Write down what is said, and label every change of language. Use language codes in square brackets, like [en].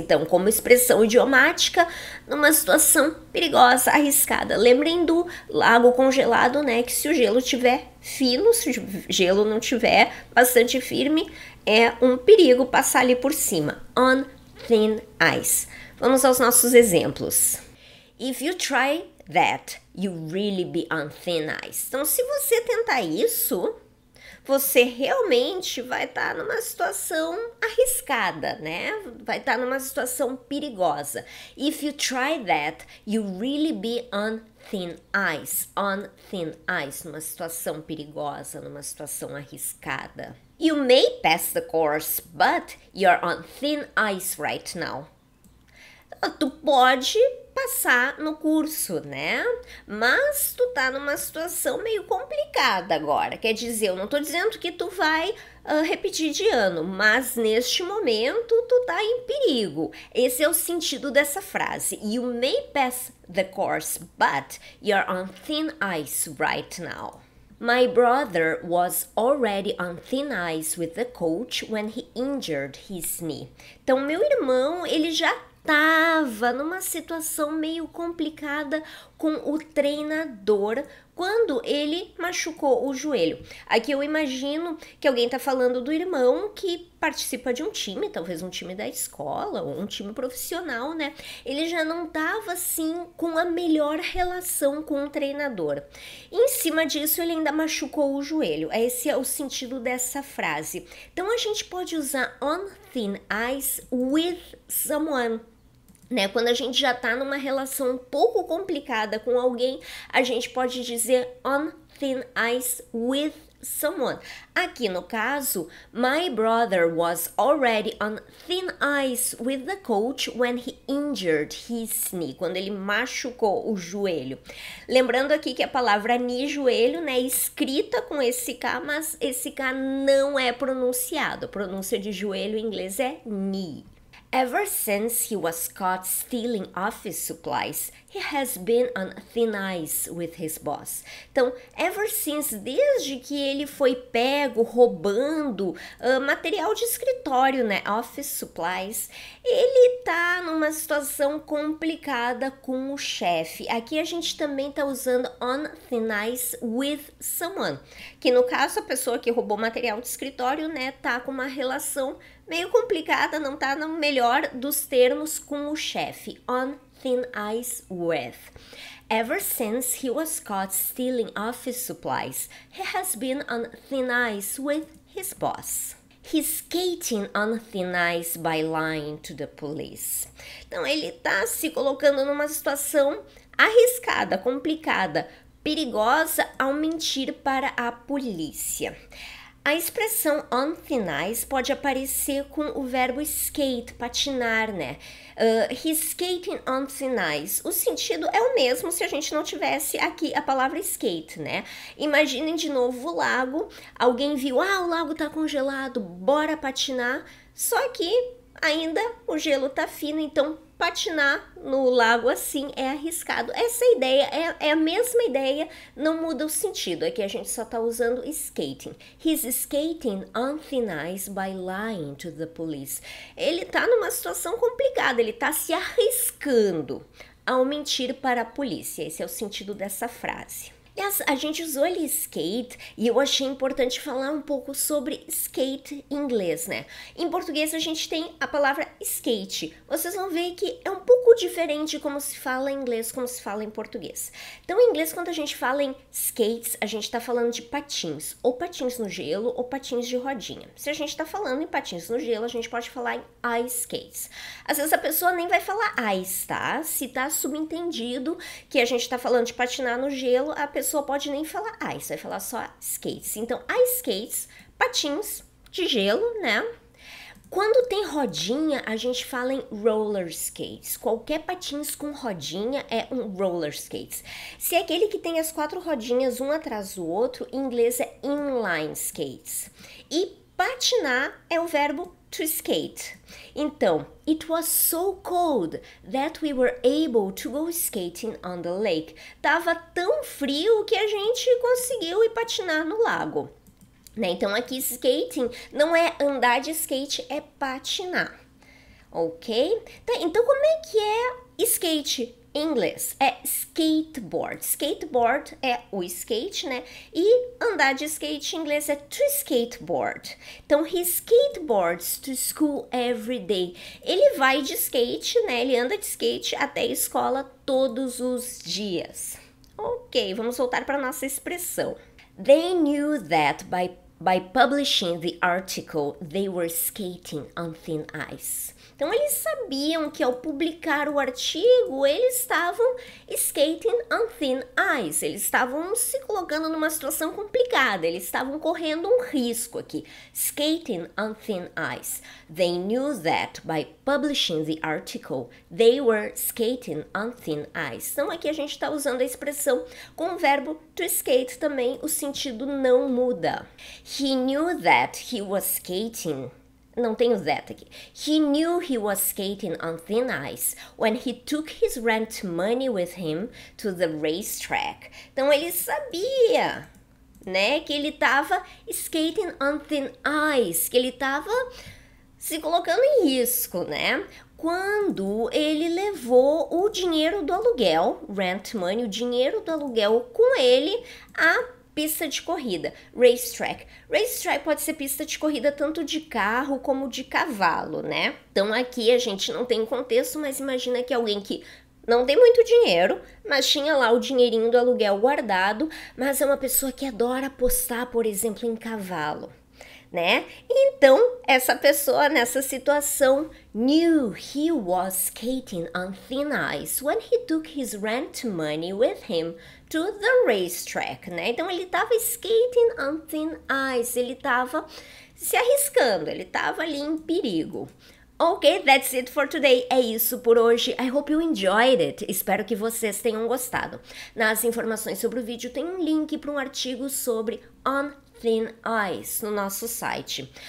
[pt] Então, como expressão idiomática, numa situação perigosa, arriscada. Lembrem do lago congelado, né? Que se o gelo tiver fino, se o gelo não tiver bastante firme, é um perigo passar ali por cima. [en] On thin ice. [pt] Vamos aos nossos exemplos. [en] If you try that, you'll really be on thin ice. [pt] Então, se você tentar isso, você realmente vai estar numa situação arriscada, né? Vai estar numa situação perigosa. [en] If you try that, you'll really be on thin ice. On thin ice, [pt] numa situação perigosa, numa situação arriscada. [en] You may pass the course, but you're on thin ice right now. [pt] Tu pode passar no curso, né? Mas tu tá numa situação meio complicada agora. Quer dizer, eu não tô dizendo que tu vai repetir de ano, mas neste momento tu tá em perigo. Esse é o sentido dessa frase. [en] You may pass the course, but you're on thin ice right now. My brother was already on thin ice with the coach when he injured his knee. [pt] Então, meu irmão, ele já estava numa situação meio complicada com o treinador quando ele machucou o joelho. Aqui eu imagino que alguém está falando do irmão que participa de um time, talvez um time da escola ou um time profissional, né? Ele já não estava assim com a melhor relação com o treinador. Em cima disso, ele ainda machucou o joelho. Esse é o sentido dessa frase. Então, a gente pode usar [en] on thin ice with someone. [pt] Né? Quando a gente já está numa relação um pouco complicada com alguém, a gente pode dizer [en] on thin ice with someone. [pt] Aqui no caso, [en] my brother was already on thin ice with the coach when he injured his knee, [pt] quando ele machucou o joelho. Lembrando aqui que a palavra knee, joelho, né, é escrita com esse K, mas esse K não é pronunciado. A pronúncia de joelho em inglês é knee. [en] Ever since he was caught stealing office supplies, he has been on thin ice with his boss. [pt] Então, [en] ever since, [pt] desde que ele foi pego roubando material de escritório, né, office supplies, ele tá numa situação complicada com o chefe. Aqui a gente também tá usando [en] on thin ice with someone, [pt] que no caso a pessoa que roubou material de escritório, né, tá com uma relação meio complicada, não tá no melhor dos termos com o chefe. [en] On thin ice with. Ever since he was caught stealing office supplies, he has been on thin ice with his boss. He's skating on thin ice by lying to the police. [pt] Então, ele tá se colocando numa situação arriscada, complicada, perigosa ao mentir para a polícia. A expressão [en] on thin ice [pt] pode aparecer com o verbo skate, patinar, né? [en] He's skating on thin ice. [pt] O sentido é o mesmo se a gente não tivesse aqui a palavra skate, né? Imaginem de novo o lago, alguém viu, ah, o lago tá congelado, bora patinar. Só que ainda o gelo tá fino, então patinar no lago assim é arriscado. Essa ideia é a mesma ideia, não muda o sentido. Aqui a gente só tá usando skating. [en] He's skating on thin ice by lying to the police. [pt] Ele tá numa situação complicada, ele tá se arriscando ao mentir para a polícia. Esse é o sentido dessa frase. Yes, a gente usou ali skate e eu achei importante falar um pouco sobre skate em inglês, né? Em português a gente tem a palavra skate. Vocês vão ver que é um pouco diferente como se fala em inglês, como se fala em português. Então, em inglês, quando a gente fala em skates, a gente tá falando de patins. Ou patins no gelo ou patins de rodinha. Se a gente tá falando em patins no gelo, a gente pode falar em ice skates. Às vezes a pessoa nem vai falar ice, tá? Se tá subentendido que a gente tá falando de patinar no gelo, a pessoa pessoa pode nem falar ice, vai falar só skates. Então, ice skates, patins de gelo, né? Quando tem rodinha, a gente fala em roller skates. Qualquer patins com rodinha é um roller skates. Se é aquele que tem as quatro rodinhas um atrás do outro, em inglês é inline skates. E patinar é o verbo to skate. [en] Então, it was so cold that we were able to go skating on the lake. [pt] Tava tão frio que a gente conseguiu ir patinar no lago. Né? Então, aqui, skating não é andar de skate, é patinar, ok? Tá, então, como é que é skate em inglês? É skateboard. Skateboard é o skate, né? E andar de skate em inglês é to skateboard. [en] Então, he skateboards to school every day. [pt] Ele vai de skate, né? Ele anda de skate até a escola todos os dias. Ok, vamos voltar para nossa expressão. [en] They knew that by publishing the article, they were skating on thin ice. [pt] Então, eles sabiam que ao publicar o artigo, eles estavam [en] skating on thin ice. [pt] Eles estavam se colocando numa situação complicada. Eles estavam correndo um risco aqui. [en] Skating on thin ice. They knew that by publishing the article, they were skating on thin ice. [pt] Então, aqui a gente está usando a expressão com o verbo to skate também. O sentido não muda. [en] He knew that he was skating... [pt] Não tem o that aqui. [en] He knew he was skating on thin ice when he took his rent money with him to the racetrack. [pt] Então, ele sabia, né, que ele tava [en] skating on thin ice, [pt] que ele tava se colocando em risco, né? Quando ele levou o dinheiro do aluguel, rent money, o dinheiro do aluguel com ele a pista de corrida, racetrack. Racetrack pode ser pista de corrida tanto de carro como de cavalo, né? Então aqui a gente não tem contexto, mas imagina que alguém que não tem muito dinheiro, mas tinha lá o dinheirinho do aluguel guardado, mas é uma pessoa que adora apostar, por exemplo, em cavalo, né? Então, essa pessoa nessa situação [en] knew he was skating on thin ice when he took his rent money with him to the racetrack, né? [pt] Então, ele tava [en] skating on thin ice, [pt] ele tava se arriscando, ele tava ali em perigo. [en] Ok, that's it for today. [pt] É isso por hoje. [en] I hope you enjoyed it. [pt] Espero que vocês tenham gostado. Nas informações sobre o vídeo, tem um link para um artigo sobre [en] on thin ice [pt] no nosso site.